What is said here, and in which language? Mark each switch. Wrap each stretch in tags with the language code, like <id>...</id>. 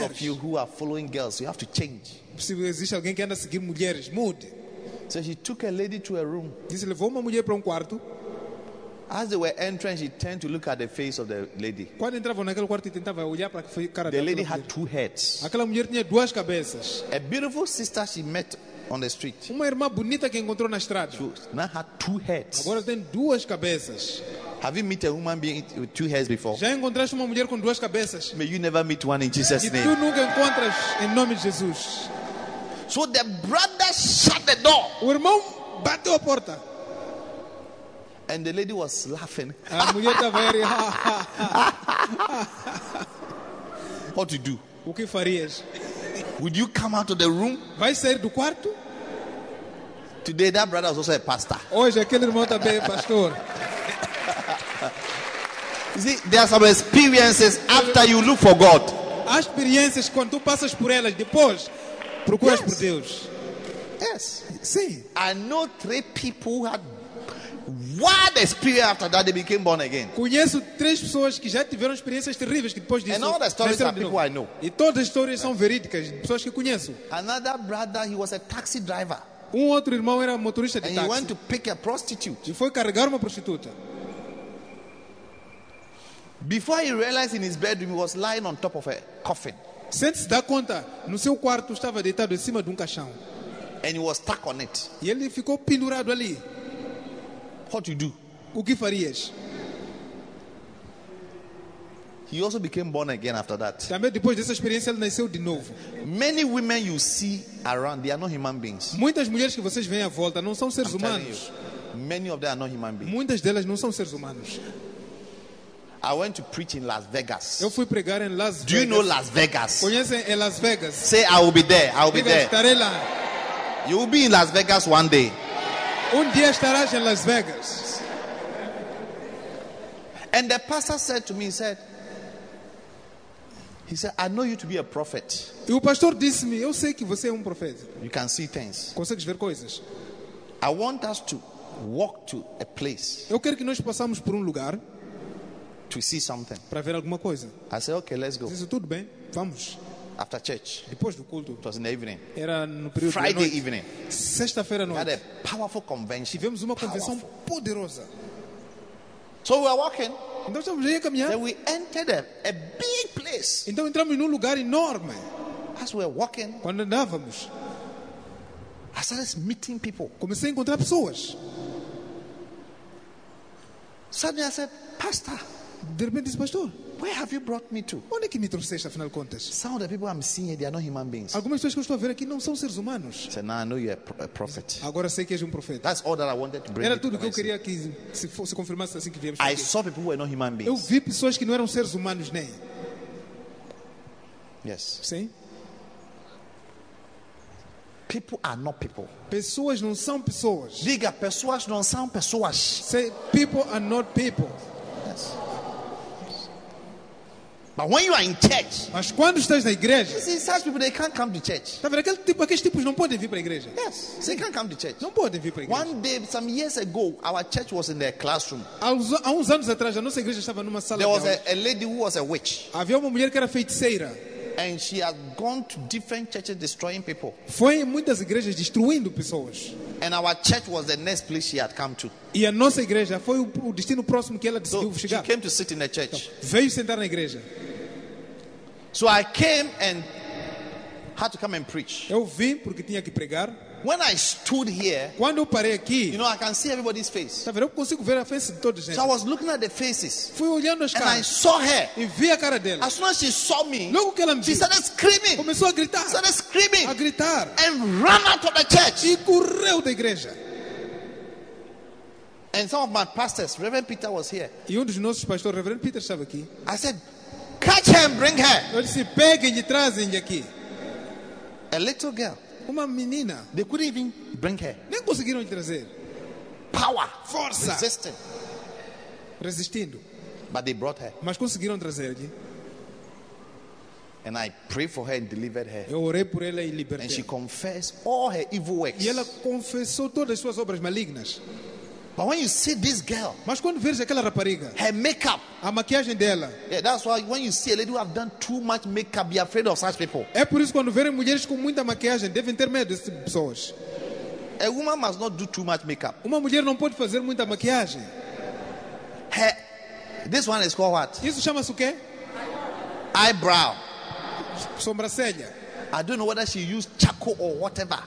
<en>Those of you who are following girls, you have to change.</en> <pt>Se existe alguém que anda a seguir mulheres, mude.</pt> <en>So he took a lady to a room.</en> <pt>Disse, levou uma mulher para quarto.</pt> <en>As they were entering, she turned to look at the face of the lady.</en> <pt>Quando entrava naquele quarto, tentava olhar para a cara da mulher.</pt> <en>The lady had two heads.</en> <pt>Aquela mulher tinha duas cabeças.</pt> <en>A beautiful sister she met on the street.</en> <pt>Uma irmã bonita que encontrou na estrada.</pt> <en>She now had two heads.</en> <pt>Agora tem duas cabeças.</pt> <en>Have you met a woman being with two heads before?</en> <pt>Já encontraste uma mulher com duas cabeças?</pt> <en>May you never meet one in Jesus' name.</en> <pt>E tu nunca encontras em nome de Jesus.</pt> <en>So the brother shut the door.</en> <pt>O irmão bateu a porta.</pt> <en>And the lady was laughing.</en> <pt>A mulher estava a rir.</pt> <en>What to do?</en> <pt>O que farias?</pt> <en>Would you come out of the room?</en> <pt>Vai sair do quarto?</pt> <en>Today that brother was also a pastor.</en> <pt>Hoje aquele irmão também é pastor.</pt> <en>You see, there are some experiences after you look for God.</en> <pt>As experiências quando tu passas por elas depois procuras por Deus.</pt> <en>Yes.</en> <pt>Sim.</pt> <en>I know three people who had what experience after that they became born again.</en> <pt>Conheço três pessoas que já tiveram experiências terríveis que depois disso.</pt> <en>And all the stories are people I know.</en> <pt>E todas as histórias são verídicas de pessoas que conheço.</pt> <en>Another brother, he was a taxi driver.</en> <pt>Outro irmão era motorista de táxi.</pt> <en>And he went to pick a prostitute.</en> <pt>E foi carregar uma prostituta.</pt> <en>Before he realized in his bedroom he was lying on top of a coffin.</en> <pt>Sem se dar conta, no seu quarto estava deitado em cima de caixão.</pt> <en>And he was stuck on it.</en> <pt>E ele ficou pendurado ali.</pt> <en>What you do?</en> <pt>O que farias?</pt> <en>He He also became born again after that.</en> <pt>Também depois dessa experiência ele nasceu de novo.</pt> <en>Many women you see around, they are not human beings.</en> <pt>Muitas mulheres que vocês veem à volta não são seres humanos.</pt> <en>Many of them are not human beings.</en> <pt>Muitas delas não são seres humanos.</pt> <en>I went to preach in Las Vegas.</en> <pt>Eu fui pregar em Las Vegas.</pt> <en>Do you know Las Vegas?</en> <pt>Conhecem em Las Vegas?</pt> <en>Say I will be there. I will be there.</en> <pt>Lá.</pt> <en>You will be in Las Vegas one day.</en> <pt>Dia estarás em Las Vegas.</pt> <en>And the pastor said to me, he said, I know you to be a prophet.</en> <pt>E o pastor disse-me, eu sei que você é profeta.</pt> <en>You can see things.</en> <pt>Consegues ver coisas.</pt> <en>I want us to walk to a place.</en> <pt>Eu quero que nós passamos por lugar.</pt> <en>To see something.</en> <pt>Para ver alguma coisa.</pt> <en>I said, okay, let's go.</en> <pt>Disse, tudo bem, vamos.</pt> <en>After church.</en> <pt>Depois do culto.</pt> <en>It was in the evening.</en> <pt>Era no período</pt> <en>Friday</en> <pt>da noite.</pt> <en>Evening.</en> <pt>Sexta-feira à noite.</pt> <en>We had a powerful convention.</en> <pt>Tivemos uma</pt> <en>powerful.</en> <pt>Convenção poderosa.</pt> <en>So we were walking.</en> <pt>Então estamos aí a caminhar.</pt> <en>Then we entered a big place.</en> <pt>Então entramos num lugar enorme.</pt> <en>As we were walking.</en> <pt>Quando andávamos.</pt> <en>I started meeting people.</en> <pt>Comecei a encontrar pessoas.</pt> <en>Suddenly I said, pastor.</en> <pt>De repente disse, pastor,</pt> <en>where have you brought me to?</en> <pt>Onde é que me trouxeste, afinal de contas?</pt> <en>Some of the people I'm seeing here, they are not human beings.</en> <pt>Algumas pessoas que eu estou a ver aqui não são seres humanos.</pt> <en>He said, now I know you are a prophet.</en> <pt>Agora sei que és profeta.</pt> <en>That's all that I wanted to bring.</en> <pt>Era tudo que eu queria que se confirmasse assim que viemos.</pt> <en>I saw people who are not human beings.</en> <pt>Eu vi pessoas que não eram seres humanos nem.</pt> <en>Yes.</en> <pt>Sim.</pt> <en>People are not people.</en> <pt>Pessoas não são pessoas. Diga, pessoas não são pessoas.</pt> <en>Say, people are not people. Yes. But when you are in church,</en> <pt>mas quando estás na igreja,</pt> <en>you see such people, they can't come to church.</en> <pt>Tá vendo? Aqueles tipos não podem vir para a igreja.</pt> <en>Yes, sim. They can't come to church.</en> <pt>Não podem vir para a igreja.</pt> <en>One day, some years ago, our church was in their classroom.</en> <pt>Há uns anos atrás, a nossa igreja estava numa sala.</pt> <en>There was a lady who was a witch.</en> <pt>Havia uma mulher que era feiticeira.</pt> <en>And she had gone to different churches destroying people.</en> <pt>Foi em muitas igrejas destruindo pessoas.</pt> <en>And our church was the next place she had come to.</en> <pt>E a nossa igreja foi o destino próximo que ela decidiu</pt> <en>so</en> <pt>chegar.</pt> <en>She came to sit in the church.</en> <pt>Então, veio sentar na igreja.</pt> <en>So I came and had to come and preach.</en> <pt>Eu vim porque tinha que pregar.</pt> <en>When I stood here,</en> <pt>quando eu parei aqui,</pt> <en>you know, I can see everybody's face.</en> <pt>Tá vendo? Eu consigo ver a face de toda a gente.</pt> <en>So I was looking at the faces.</en> <pt>Fui olhando as</pt> <en>and</en> <pt>caras.</pt> <en>I saw her.</en> <pt>E vi a cara dela.</pt> <en>As soon as she saw me,</en> <pt>logo que ela me</pt> <en>she</en> <pt>viu,</pt> <en>started screaming.</en> <pt>Começou a gritar.</pt> <en>Started screaming.</en> <pt>A gritar.</pt> <en>And ran out of the church.</en> <pt>E correu da igreja.</pt> <en>And some of my pastors, Reverend Peter was here.</en> <pt>E dos nossos pastores, Reverend Peter estava aqui.</pt> <en>I said, catch her and bring her.</en> <pt>Eu disse, pegue e trazem aqui.</pt> <en>A little girl.</en> <pt>Uma menina.</pt> <en>They couldn't even bring her.</en> <pt>Nem conseguiram lhe trazer.</pt> <en>Power.</en> <pt>Força.</pt> <en>Resisting.</en> <pt>Resistindo.</pt> <en>But they brought her.</en> <pt>Mas conseguiram trazer-lhe.</pt> <en>And I prayed for her and delivered her.</en> <pt>Eu orei por ela e libertei.</pt> <en>And she confessed all her evil works.</en> <pt>E ela confessou todas as suas obras malignas.</pt> <en>But when you see this girl,</en> <pt>mas quando vês aquela rapariga,</pt> <en>her makeup,</en> <pt>a maquiagem dela,</pt> <en>yeah, that's why when you see a lady who have done too much makeup, be afraid of such people.</en> <pt>É por isso quando vês mulheres com muita maquiagem, devem ter medo dessas pessoas.</pt> <en>A woman must not do too much makeup.</en> <pt>Uma mulher não pode fazer muita maquiagem.</pt> <en>Her, this one is called what?</en> <pt>Isso chama-se o quê?</pt> <en>Eyebrow.</en> <pt>Sobrancelha.</pt> <en>I don't know whether she used charcoal or whatever.</en>